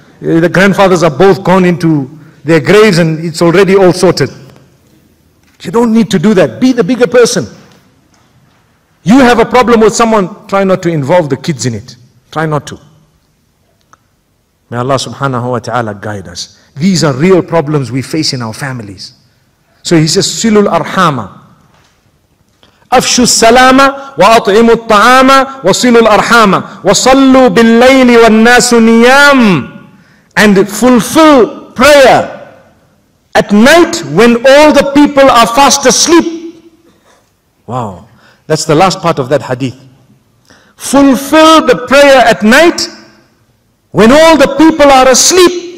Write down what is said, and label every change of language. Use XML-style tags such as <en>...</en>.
<en>The grandfathers are both gone into their graves and it's already all sorted. You don't need to do that. Be the bigger person. You have a problem with someone, try not to involve the kids in it. Try not to. May Allah subhanahu wa ta'ala guide us. These are real problems we face in our families. So he says, silul arhama.</en> <ar>أفشوا السلامة وأطعموا الطعام وصلوا الأرحام وصلوا بالليل والناس نيام.</ar> <en>And fulfill prayer at night when all the people are fast asleep. Wow, that's the last part of that hadith. Fulfill the prayer at night when all the people are asleep.</en>